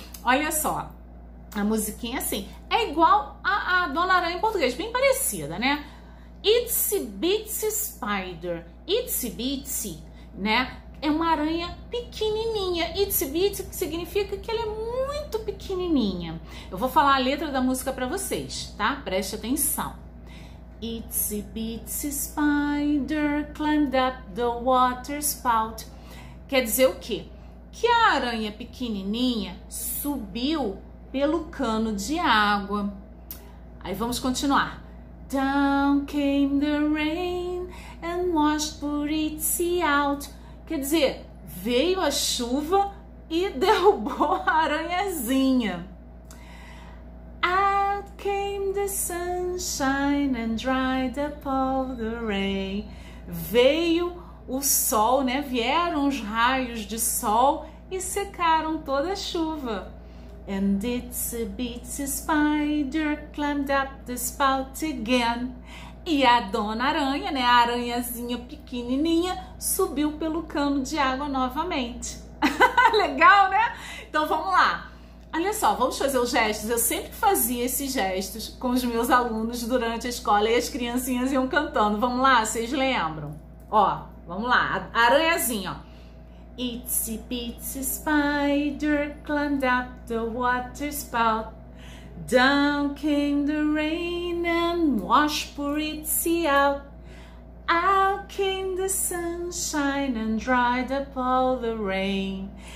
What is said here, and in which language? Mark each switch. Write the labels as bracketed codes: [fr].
[pt] Olha só, a musiquinha é assim. É igual a Dona Aranha em português, bem parecida, né? Itsy Bitsy Spider. Itsy Bitsy, né? É uma aranha pequenininha. Itsy Bitsy significa que ela é muito pequenininha. Eu vou falar a letra da música para vocês, tá? Preste atenção. [en] Itsy Bitsy Spider climbed up the water spout. [pt] Quer dizer o quê? Que a aranha pequenininha subiu pelo cano de água. Aí vamos continuar. [en] Down came the rain and washed poor Itsy out. [pt] Quer dizer, veio a chuva e derrubou a aranhazinha. [en] Out came the sunshine and dried up all the rain. [pt] Veio o sol, né? Vieram os raios de sol e secaram toda a chuva. [en] And Itsy Bitsy Spider climbed up the spout again. [pt] E a Dona Aranha, né, a aranhazinha pequenininha, subiu pelo cano de água novamente. Legal, né? Então vamos lá. Olha só, vamos fazer os gestos. Eu sempre fazia esses gestos com os meus alunos durante a escola e as criancinhas iam cantando. Vamos lá, vocês lembram? Ó, vamos lá. Aranhazinha, ó. [en] Itsy Bitsy Spider climbed up the water spout. Down came the rain and washed poor Itsy out. Out came the sunshine and dried up all the rain.